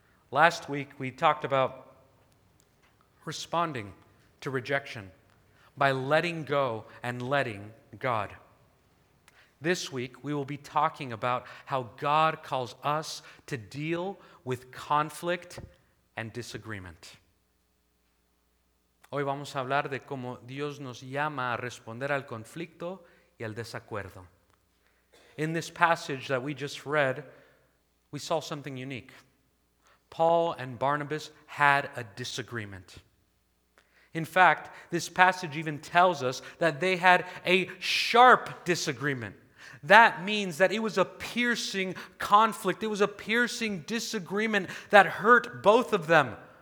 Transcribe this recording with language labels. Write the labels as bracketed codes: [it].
[en] Last week, we talked about responding to rejection by letting go and letting God. This week, we will be talking about how God calls us to deal with conflict and disagreement. [es] Hoy vamos a hablar de cómo Dios nos llama a responder al conflicto y al desacuerdo. [en] In this passage that we just read, we saw something unique. Paul and Barnabas had a disagreement. In fact, this passage even tells us that they had a sharp disagreement. That means that it was a piercing conflict. It was a piercing disagreement that hurt both of them.